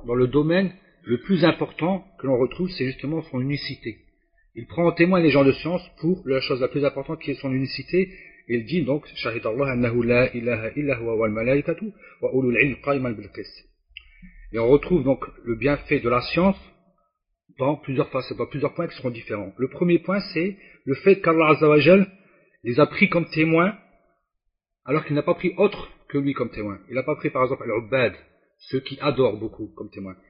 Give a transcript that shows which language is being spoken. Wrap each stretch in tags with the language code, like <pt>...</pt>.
<fr>Dans le domaine le plus important que l'on retrouve, c'est justement son unicité. Il prend en témoin les gens de science pour la chose la plus importante qui est son unicité. Il dit donc</fr> <ar>شهد الله أنه لا إله إلا هو والملائكة وأولو العلم قائما بالقسط.</ar> <fr>Et on retrouve donc le bienfait de la science dans plusieurs facettes, dans plusieurs points qui seront différents. Le premier point, c'est le fait qu'Allah Azza wa Jal les a pris comme témoins alors qu'il n'a pas pris autre que lui comme témoin. Il n'a pas pris par exemple Al-Ubbad, ceux qui adorent beaucoup comme témoin.</fr>